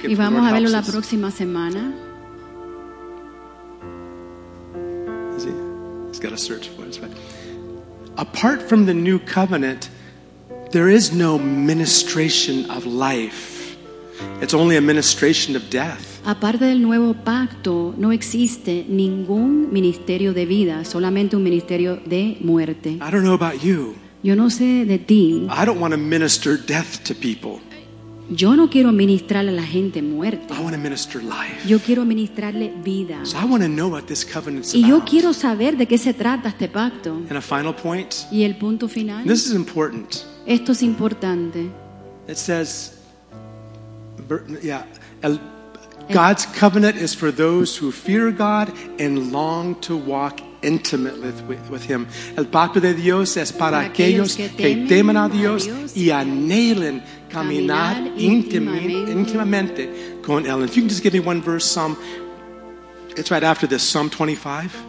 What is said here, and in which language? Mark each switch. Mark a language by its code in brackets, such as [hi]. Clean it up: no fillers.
[es] Y vamos a verlo la próxima semana. [en] He's got to search for it. Apart from the new covenant, there is no ministration of life. It's only a ministration of death. [es] Aparte del nuevo pacto, no existe ningún ministerio de vida, solamente un ministerio de muerte. [en] I don't know about you. [es] Yo no sé de ti. [en] I don't want to minister death to people. [es] Yo no quiero ministrarle a la gente muerta. [en] I want to minister life. [es] Yo quiero ministrarle vida. [en] So I want to know what this covenant's [es] y yo [en] about. [es] Quiero saber de qué se trata este pacto. [en] And a final point. [es] Y el punto final. [en] This is important. [es] Esto es importante. [en] It says, yeah, God's covenant is for those who fear God and long to walk intimately with Him. [es] El pacto de Dios es para aquellos que temen a Dios y anhelan caminar íntimamente con Él. [en] If you can just give me one verse, Psalm, it's right after this, Psalm 25.